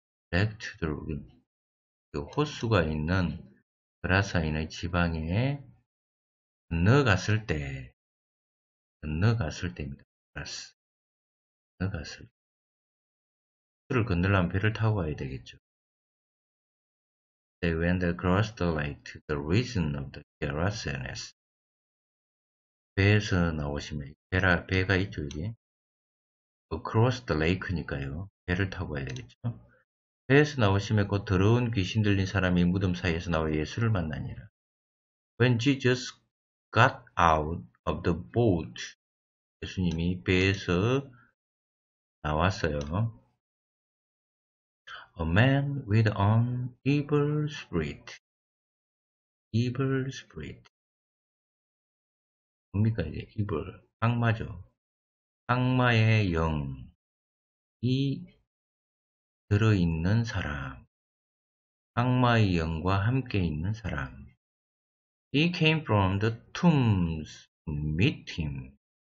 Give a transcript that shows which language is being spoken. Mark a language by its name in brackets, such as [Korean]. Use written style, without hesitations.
[English] Back to the region. [Korean] 그 호수가 있는 그라사인의 지방에 건너갔을 때, 건너갔을 때입니다. 그라스. 건너갔을 때. 호수를 건너려면 배를 타고 가야 되겠죠. [English] They went across the lake to the region of the Gerasenes. [Korean] 배에서 나오시면, 배가 있죠, 여기. [English] Across the lake [Korean] 니까요. 배를 타고 가야 되겠죠. 배에서 나오시며 곧 더러운 귀신 들린 사람이 무덤 사이에서 나와 예수를 만나니라. [English] When Jesus got out of the boat, [Korean] 예수님이 배에서 나왔어요. [English] A man with an evil spirit. [Korean] 뭡니까 이게? Evil, 악마죠. 악마의 영이 들어있는 사람, 악마의 영과 함께 있는 사람. [English] He came from the tombs to meet him.